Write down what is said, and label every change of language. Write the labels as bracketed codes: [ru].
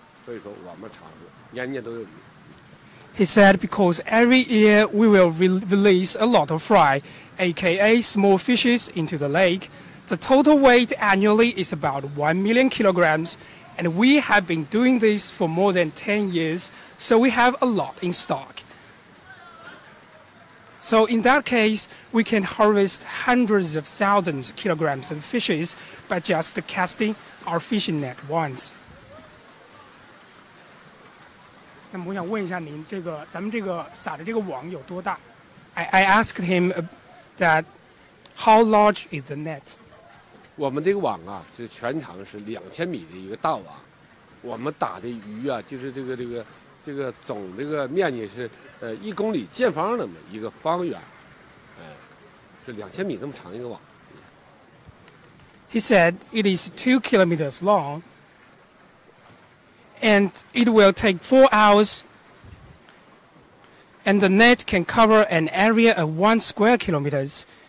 [zh] 我们一年投放的鱼苗是300万斤，就是180万斤到200万斤的苗，就是苗种，所以说我们厂子年年都有鱼。 [en] He said because every year we will release a lot of fry, aka small fishes, into the lake. The total weight annually is about 1 million kilograms, and we have been doing this for more than 10 years, so we have a lot in stock. So in that case, we can harvest hundreds of thousands of kilograms of fishes by just casting our fishing net once. [zh] 那么我想问一下您，这个咱们这个撒的这个网有多大？ [en] I asked him that how large is the net? [zh] 我们这个网啊，是全长是两千米的一个大网，我们打的鱼啊，就是这个总这个面积是一公里见方那么一个方圆，是两千米那么长一个网。He [en] said it is 2 kilometers long, and it will take 4 hours. And the net can cover an area of 1 square kilometers.